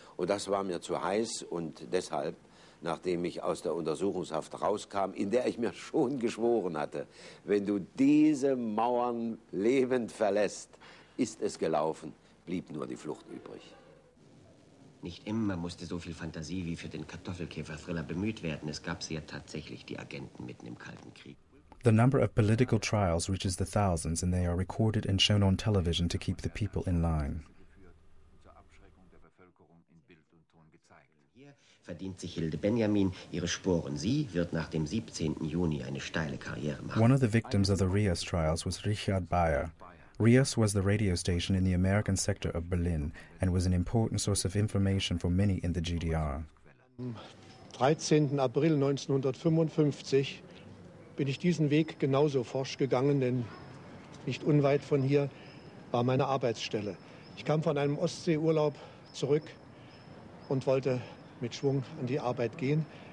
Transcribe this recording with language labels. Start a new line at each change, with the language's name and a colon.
German: Und das war mir zu heiß. Und deshalb, nachdem ich aus der Untersuchungshaft rauskam, in der ich mir schon geschworen hatte, wenn du diese Mauern lebend verlässt, ist es gelaufen, blieb nur die Flucht übrig. Nicht immer musste so viel Fantasie wie für den Kartoffelkäfer-Thriller bemüht werden. Es gab sie ja tatsächlich, die Agenten mitten im Kalten Krieg.
English: The number of political trials reaches the thousands, and they are recorded and shown on television to keep the people in line.
German: Zur Abschreckung der Bevölkerung in Bild und Ton gezeigt. Hier verdient sich Hilde Benjamin ihre Sporen. Sie wird nach dem 17. Juni eine steile Karriere machen.
English: One of the victims of the Rias trials was Richard Bayer. Rias was the radio station in the American sector of Berlin and was an important source of information for many in the GDR.
German: Am 13. April 1955 bin ich diesen Weg genauso forsch gegangen, denn nicht unweit von hier war meine Arbeitsstelle. Ich kam von einem Ostseeurlaub zurück und wollte mit Schwung an die Arbeit gehen.